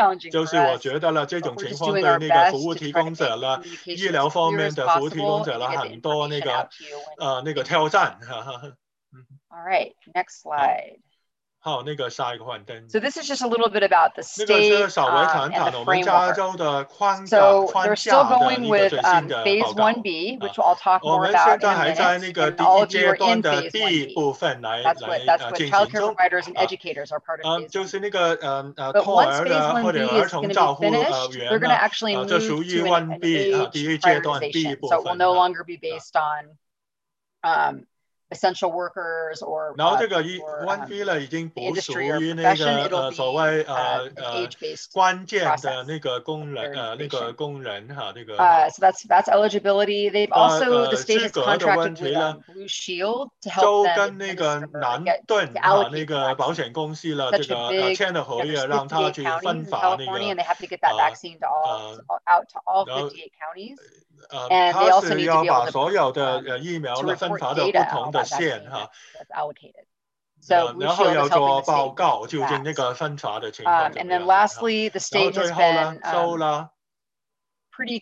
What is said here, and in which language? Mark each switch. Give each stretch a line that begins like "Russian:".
Chinese: 就是我觉得呢，这种情况对那个服务提供者呢，医疗方面的服务提供者呢，很多那个挑战，哈
English: 哈。All right, next slide.
Chinese: 好，那个下一个幻灯。
English: So this is just a little bit about the state and the framework. So they're still going with phase 1B, which I'll talk more about in a minute. And all of you are in phase 1B. That's what childcare providers and educators are part of phase 1B.
Chinese: 就是那个
English: But once phase 1B is going to be finished, they're going to actually move to an independent age prioritization. So it will no longer be based on essential workers or
Chinese: 这个1B呢已经不属于那个所谓关键的那个工人，那个工人哈，那个。
English: So that's eligibility. They've also the state has contracted with Blue Shield to help them.
Chinese: 就跟那个南顿哈那个保险公司了，这个签的合约让他去分发那个。
English: And they have to get that vaccine to all out to all 58 counties. And they also need to be able to report data on that vaccine that's allocated. So Blue Shield is helping the state do that. And then lastly, the state has been pretty